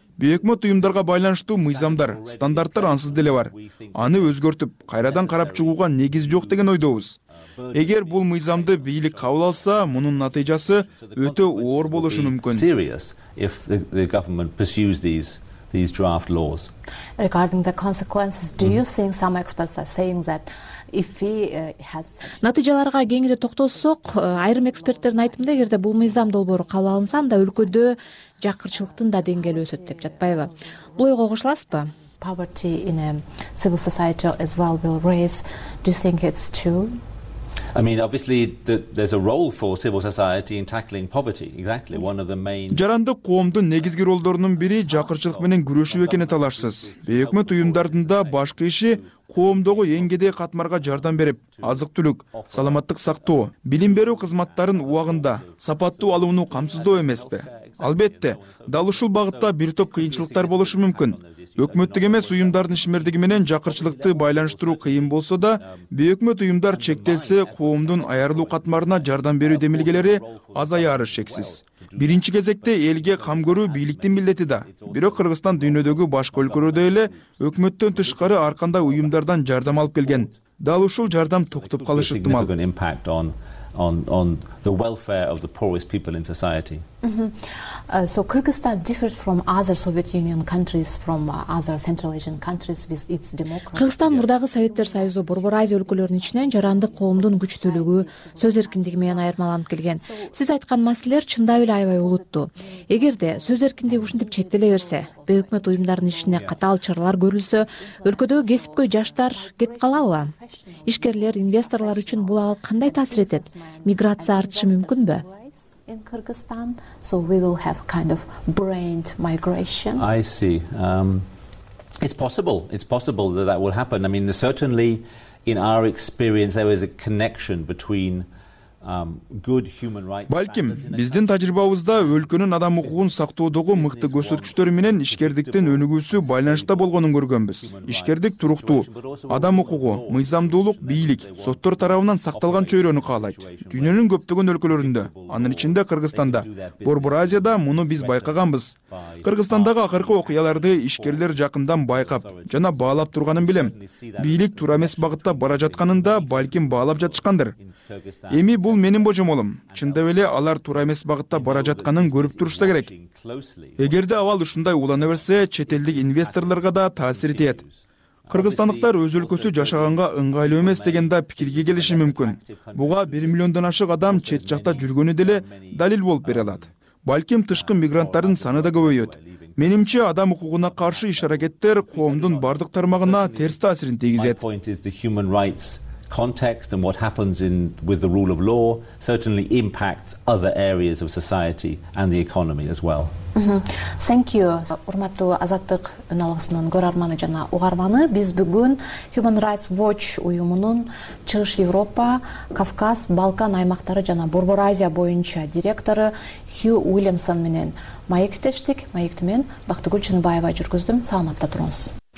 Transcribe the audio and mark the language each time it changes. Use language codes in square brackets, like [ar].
[ky] Бейөкмөт уюмдарга байланыштуу мыйзамдар, стандарттар ансыз деле бар. Аны өзгөртүп, кайрадан карап чыгууга негиз жок деген ойдобуз. Эгер бул мыйзамды бийлик кабыл алса, мунун натыйжасы өтө оор болушу мүмкүн. [en] These draft laws. Regarding the consequences, do you think some experts are saying that if he has [ky] натыйжаларга кеңири токтосок, айрым эксперттердин айтымында эгерде бул мыйзам долбоору кабыл алынса, анда өлкөдө жакырчылыктын да деңгээли өсөт деп жатпайбы? Бул ойго кошуласызбы? [en] Poverty in a civil society as well will raise. Do you think it's true? I mean, obviously, there's a role for civil society in tackling poverty. Exactly, one of the main. [ky] Жарандык коомдун негизги ролдорунун бири жакырчылык менен күрөшүү экени талашсыз. Бейөкмөт уюмдардын да башкы иши коомдогу эң кедей катмарга жардам берип, азык-түлүк, саламаттык сактоо, билим берүү кызматтарын убагында, сапаттуу алууну камсыздоо эмеспи? Албетте, дал ушул багытта бир топ кыйынчылыктар болушу мүмкүн. Өкмөттүк эмес уюмдардын ишмердиги менен жакырчылыкты байланыштыруу кыйын болсо да, бейөкмөт уюмдар чектелсе, коомдун аярлуу катмарына жардам берүү демилгелери азаяары шексиз. Биринчи кезекте элге кам көрүү бийликтин милдети да. Бирок Кыргызстан дүйнөдөгү башка өлкөлөрдө эле өкмөттөн тышкары ар кандай уюмдардан жардам алып келген. Дал ушул жардам токтоп калышы ыктымал. [en] On the welfare of the poorest people in society. So Kyrgyzstan differs from other Soviet Union countries, from other Central Asian countries with its democracy. [ky] Кыргызстан мурдагы Советтер Союзу Борбор Азия өлкөлөрүнүн ичинен жарандык коомдун күчтүүлүгү, сөз эркиндиги менен айырмаланып келген. Сиз айткан маселелер чындап эле аябай улуттуу. Эгерде сөз эркиндиги ушинтип чектеле берсе, бейөкмөт уюмдардын ишине катаал чаралар көрүлсө, өлкөдөгү кесипкөй жаштар кетип калабы? Ишкерлер, инвесторлор үчүн бул абал кандай таасир этет? Миграция артышы мүмкүнбү? [en] In Kyrgyzstan, so we will have kind of brained migration. I see. It's possible that will happen. I mean, certainly in our experience there is a connection between good human rights. [ky] Балким, биздин тажрыйбабызда өлкөнүн адам укугун сактоодогу мыкты көрсөткүчтөрү менен ишкердиктин өнүгүүсү байланышта болгонун көргөнбүз. Ишкердик туруктуу, адам укугу, мыйзамдуулук, бийлик, соттор тарабынан сакталган чөйрөнү каалайт. Дүйнөнүн көптөгөн өлкөлөрүндө, анын ичинде Кыргызстанда, Борбор Азияда муну биз байкаганбыз. Кыргызстандагы акыркы окуяларды ишкерлер жакындан байкап жана баалап турганын билем. Бийлик туура эмес багытта бара жатканын да балким баалап жатышкандыр. Эми бул менин божомолум. Чындап эле алар туура эмес багытта бара жатканын көрүп турушса керек. Эгерде абал ушундай улана берсе, чет элдик инвесторлорго да таасир тиет. Кыргызстандыктар өз өлкөсү жашаганга ыңгайлуу эмес деген да пикирге келиши мүмкүн. Буга 1 миллиондон ашык адам чет жакта жүргөнү деле далил болуп бере алат. Балким тышкы мигранттардын саны да көбөйөт. Менимче адам укугуна каршы иш-аракеттер коомдун бардык тармагына терс таасирин тийгизет. [en] Context and what happens in with the rule of law certainly impacts other areas of society and the economy as well. Thank you. [ky] Урматтуу азаттык ыналгысынын көрөрманы жана угарманы, биз бүгүн Human Rights Watch уюмунун Чыгыш Европа, Кавказ, Балкан аймактары жана Борбор Азия боюнча директору Хью Уильямсон менен маектештик. Маекти мен Бактыгүл Чыныбаева жүргүздүм. Саламатта туруңуз.